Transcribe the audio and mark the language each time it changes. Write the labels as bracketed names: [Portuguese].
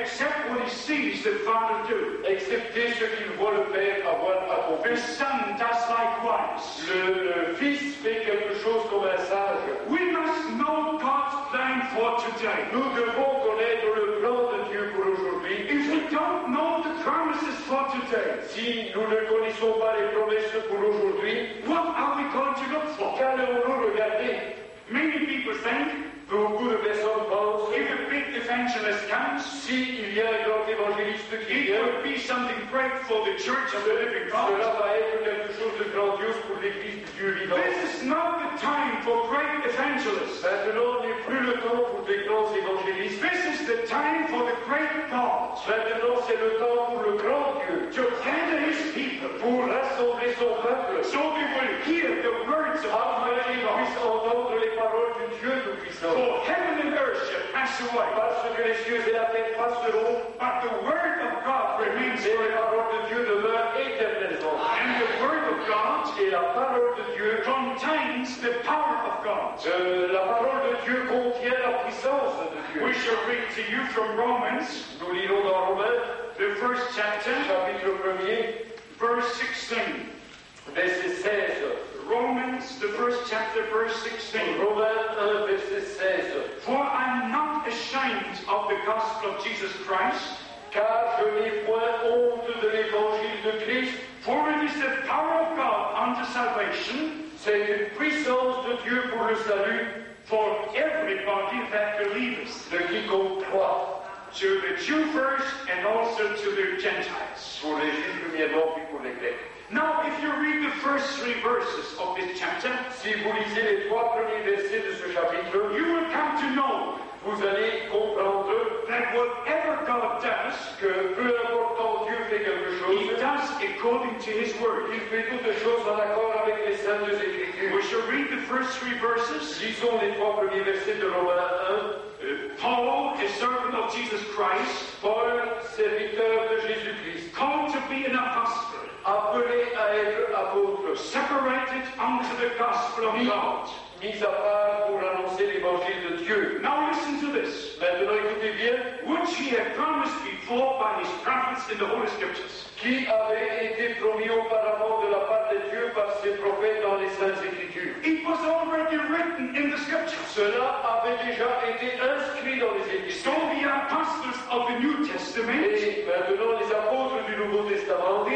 [English] except what he sees the Father do, [French] excepté ce qu'il voit le Père avoir accompli. [English] The Son does likewise, [French] le Fils fait quelque chose comme un sage. [English] We must know God's plan for today. [French] Nous devons connaître le plan de Dieu pour aujourd'hui. [English] If we don't know the promises for today, [French] si nous ne connaissons pas les promesses pour aujourd'hui, [English] what are we going to look for? [French] Qu'allons-nous regarder? [English] Many people think, [French] beaucoup de personnes pensent, [English] if a big evangelist comes, [French] si il y a un grand évangéliste qui vient, [English] it will be something great for the church of the living God. [French] Cela va être quelque chose de grandiose pour l'église de Dieu vivant. [English] This is not the time for great evangelists. [French] Maintenant n'est plus le temps pour des grands évangélistes. [English] This is the time for the great God. [French] Maintenant c'est le temps pour le grand Dieu. [English] To gather his people. [French] Pour rassembler son peuple. [English] So we will hear the words of the living God. For heaven and earth shall pass away, [French] parce que les cieux et la terre passeront, [English] but the word of God remains forever. [French] La parole de Dieu demeure éternellement. [English] And the word of God, [French] et la parole de Dieu, [English] contains the power of God. [French] La parole de Dieu contient la puissance de Dieu. [English] We shall read to you from Romans, [French] nous lirons dans Romains, [English] the first chapter, [French] chapitre premier, [English] verse 16. [French] Verset 16. [English] Romans, the first chapter, verse 16. [French] Romans 1, verset 16. [English] For I am not ashamed of the gospel of Jesus Christ, [French] car je n'ai point honte de l'évangile de Christ, [English] for it is the power of God unto salvation, [French] c'est une puissance de Dieu pour le salut, [English] for everybody that believes, [French] de quiconque croit, [English] to the Jew first and also to the Gentiles. [French] Pour les Juifs premièrement puis pour les Grecs. [English] Now, if you read the first three verses of this chapter, [French] si vous lisez les trois premiers versets de ce chapitre, [English] you will come to know, [French] vous allez comprendre, [English] that whatever God does, [French] que peu importe quand Dieu fait quelque chose, [English] he does according to his word. [French] Il fait toutes choses en accord avec les Saintes Écritures. [English] We shall read the first three verses. [French] Lisons les trois premiers versets de Romains 1. [English] Paul, a servant of Jesus Christ, [French] Paul, serviteur de Jésus-Christ, [English] called to be an apostle, [French] appelé à être apôtre, [English] separated unto the gospel of God, [French] mis à part pour annoncer l'évangile de Dieu. [English] Now listen to this. [French] Maintenant écoutez bien. [English] Which he had promised before by his prophets in the Holy Scriptures. [French] Qui avait été promis auparavant de la part de Dieu par ses prophètes dans les Saintes Écritures. [English] It was already written in the Scriptures. [French] Cela avait déjà été inscrit dans les Écritures. [English] So the apostles of the New Testament. [French] Et maintenant les apôtres du Nouveau Testament.